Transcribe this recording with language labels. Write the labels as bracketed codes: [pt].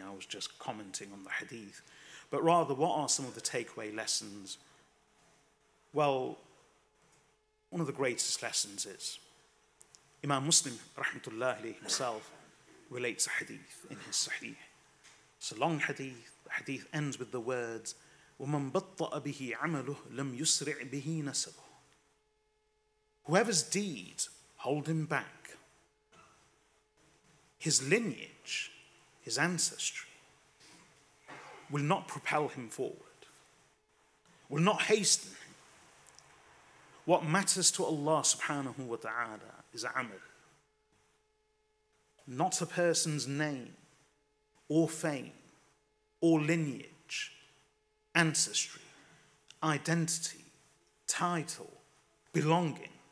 [en] I was just commenting on the hadith. But rather, what are some of the takeaway lessons? Well, one of the greatest lessons is Imam Muslim, rahmatullah alayhi, himself relates a hadith in his Sahih. It's a long hadith. The hadith ends with the words, [ar] وَمَنْ بَطَّأَ بِهِ عَمَلُهُ لَمْ يُسْرِعْ بِهِ نَسَبُهُ. [en] Whoever's deeds hold him back, his lineage, his ancestry, will not propel him forward, will not hasten him. What matters to Allah subhanahu wa ta'ala is amal, not a person's name or fame or lineage, ancestry, identity, title, belonging.